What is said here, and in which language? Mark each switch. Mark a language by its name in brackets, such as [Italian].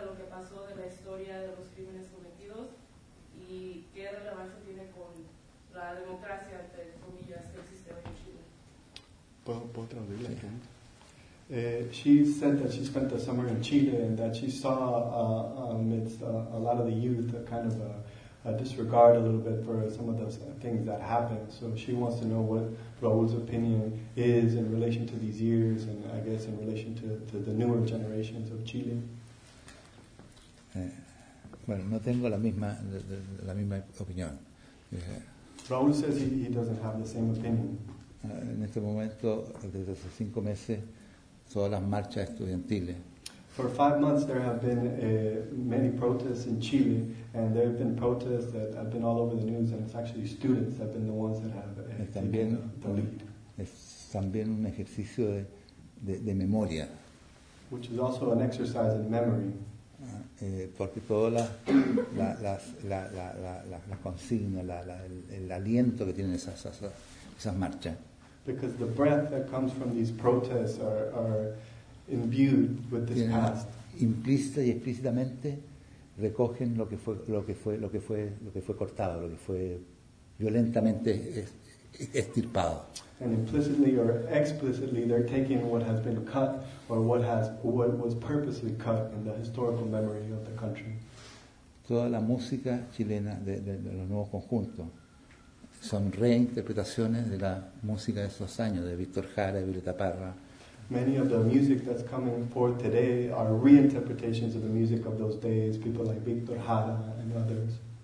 [Spanish] pasó de la historia de los crímenes cometidos y qué relevancia tiene con la democracia, entre comillas, que existe hoy en Chile. ¿Puedo traducir la pregunta? [English] She said that she spent the summer in Chile and that she saw amidst a lot of the youth a kind of a disregard a little bit for some of those things that happened. So she wants to know what Raul's opinion is in relation to these years and I guess in relation to the newer generations of Chile. [Spanish] Bueno, no tengo la misma opinión. [English] Raul says he doesn't have the same opinion. [Spanish] En este momento, desde hace 5 meses, todas las marchas estudiantiles. [English] For 5 months there have been many protests in Chile, and there have been protests that have been all over the news, and it's actually students that have been the ones that have taken the lead. [Spanish] Es también un ejercicio de memoria. [English] Which is also an exercise in memory. [Spanish] Porque todas las consignas, el aliento que tienen esas marchas. [English] Because the breath that comes from these protests are imbued with this past. [Spanish] Implícita y explícitamente recogen lo que fue cortado, lo que fue violentamente extirpado. [English] And implicitly or explicitly, they're taking what has been cut or what was purposely cut in the historical memory of the country. [Spanish] Toda la música chilena de los nuevos conjuntos. Son reinterpretaciones de la música de esos años, de Víctor Jara, de Violeta Parra. [English] Many of the music that's coming forth today are reinterpretations of the music of those days, people like Víctor Jara and others.